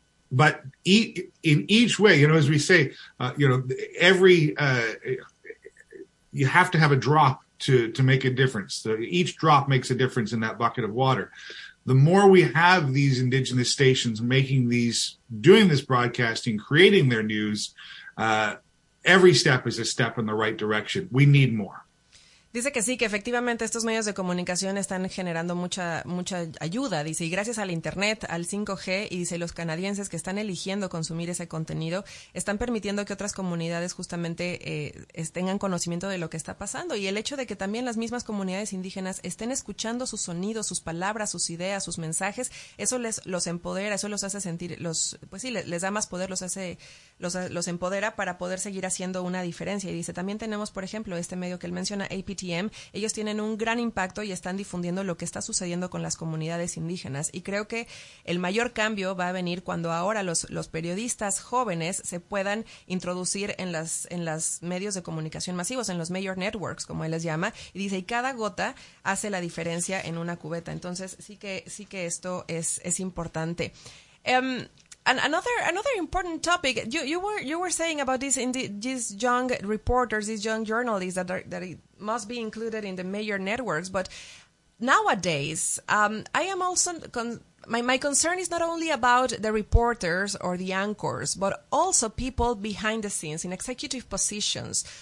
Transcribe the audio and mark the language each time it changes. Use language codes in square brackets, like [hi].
[en] But in each way, you know, as we say, you have to have a drop to make a difference. So each drop makes a difference in that bucket of water. The more we have these Indigenous stations making these, doing this broadcasting, creating their news, every step is a step in the right direction. We need more. [es] Dice que sí, que efectivamente estos medios de comunicación están generando mucha ayuda, dice, y gracias al internet, al 5G, y dice, los canadienses que están eligiendo consumir ese contenido están permitiendo que otras comunidades justamente tengan conocimiento de lo que está pasando, y el hecho de que también las mismas comunidades indígenas estén escuchando sus sonidos, sus palabras, sus ideas, sus mensajes, eso les los empodera, eso los hace sentir, les da más poder, los empodera para poder seguir haciendo una diferencia. Y dice, también tenemos, por ejemplo, este medio que él menciona, APTM, ellos tienen un gran impacto y están difundiendo lo que está sucediendo con las comunidades indígenas. Y creo que el mayor cambio va a venir cuando ahora los periodistas jóvenes se puedan introducir en las medios de comunicación masivos, en los [en] major networks, [es] como él les llama. Y dice, y cada gota hace la diferencia en una cubeta. Entonces, sí que esto es importante. [en] And another important topic, you were saying about these young reporters, these young journalists that must be included in the major networks. But nowadays, I am also my concern is not only about the reporters or the anchors, but also people behind the scenes in executive positions.